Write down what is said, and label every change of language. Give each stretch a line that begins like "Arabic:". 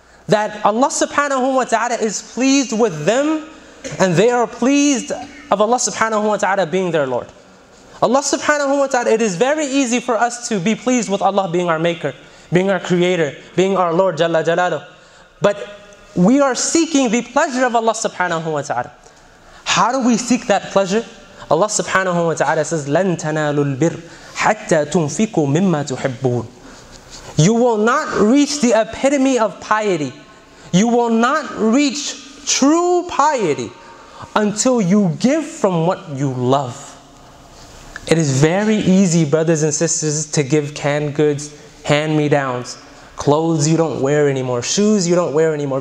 English: that Allah subhanahu wa ta'ala is pleased with them, and they are pleased of Allah subhanahu wa ta'ala being their Lord. Allah subhanahu wa ta'ala, it is very easy for us to be pleased with Allah being our maker, being our creator, being our Lord Jalla Jalaluh. But we are seeking the pleasure of Allah subhanahu wa ta'ala. How do we seek that pleasure? Allah subhanahu wa ta'ala says,
Arabic: لَن تَنَالُوا الْبِرَّ حَتَّى تُنْفِقُوا مِمَّا تُحِبُّونَ.
English: You will not reach the epitome of piety. You will not reach true piety until you give from what you love. It is very easy, brothers and sisters, to give canned goods, hand-me-downs, clothes you don't wear anymore, shoes you don't wear anymore.